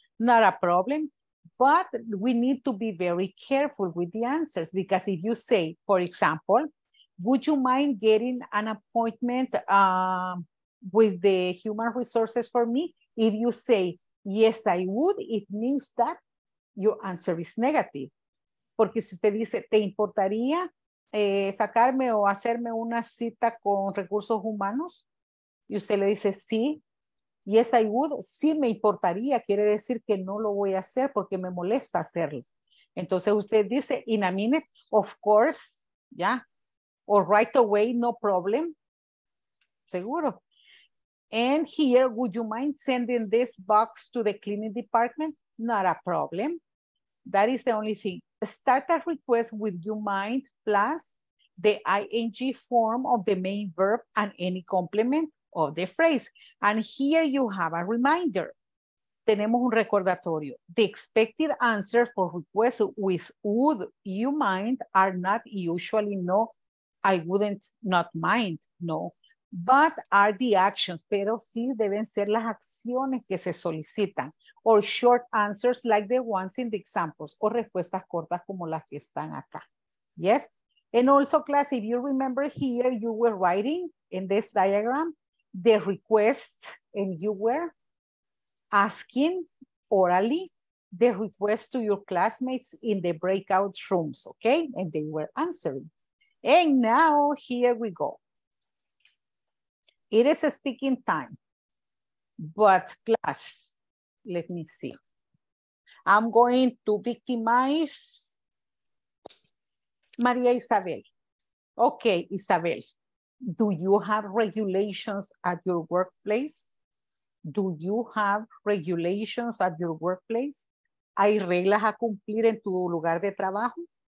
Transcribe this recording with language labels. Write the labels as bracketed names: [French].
[English] Not a problem, but we need to be very careful with the answers because if you say, for example, would you mind getting an appointment with the human resources for me? If you say, yes, I would, it means that your answer is negative. [Spanish] Porque si usted dice, ¿te importaría sacarme o hacerme una cita con recursos humanos? Y usted le dice, sí, [English] yes, I would, [Spanish] sí me importaría, quiere decir que no lo voy a hacer porque me molesta hacerlo. Entonces usted dice, [English] in a minute, of course, ya, yeah, or right away, no problem, [Spanish] seguro. [English] And here, would you mind sending this box to the cleaning department? Not a problem. That is the only thing. Start a request with you mind plus the ing form of the main verb and any complement of the phrase. And here you have a reminder. [Spanish] Tenemos un recordatorio. [English] The expected answer for requests with would you mind are not usually no, I wouldn't not mind, no, but are the actions. [Spanish] Pero sí deben ser las acciones que se solicitan. [English] Or short answers like the ones in the examples, [Spanish] o respuestas cortas como las que están acá. [English] Yes? And also, class, if you remember here, you were writing in this diagram the requests and you were asking orally the requests to your classmates in the breakout rooms, okay? And they were answering. And now here we go. It is a speaking time, but class, let me see. I'm going to victimize Maria Isabel. Okay, Isabel, do you have regulations at your workplace? do you have regulations at your workplace? [Spanish] ¿Hay reglas a cumplir en tu lugar de trabajo?